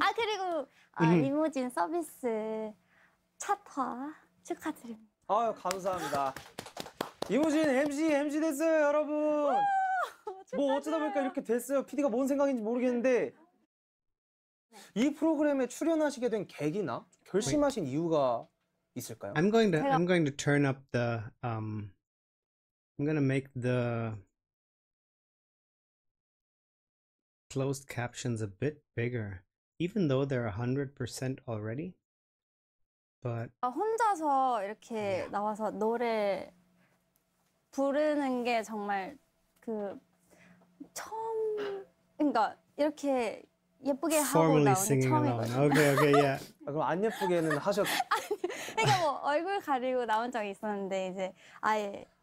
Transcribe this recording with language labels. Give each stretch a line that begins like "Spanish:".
Korean: 아 그리고 리무진 서비스 차타 축하드립니다. 아 감사합니다. 리무진 MC 됐어요, 여러분. 뭐 어쩌다 보니까 이렇게 됐어요. PD가 뭔 생각인지 모르겠는데 이 프로그램에 출연하시게 된 계기나 결심하신 이유가 있을까요?
English: I'm going to turn up the I'm going to make the closed captions a bit bigger even though they're 100% already. But
Korean: 혼자서 이렇게 나와서 노래 부르는 게 정말 그 처음 그러니까 이렇게 예쁘게
English: Formally
Korean: 하고 나온 처음이에요.
English: Okay, yeah.
Korean: 아, 그럼 안 예쁘게는 하셨. 아니, 그러니까 뭐 얼굴 가리고 나온 적이 있었는데 이제 아예.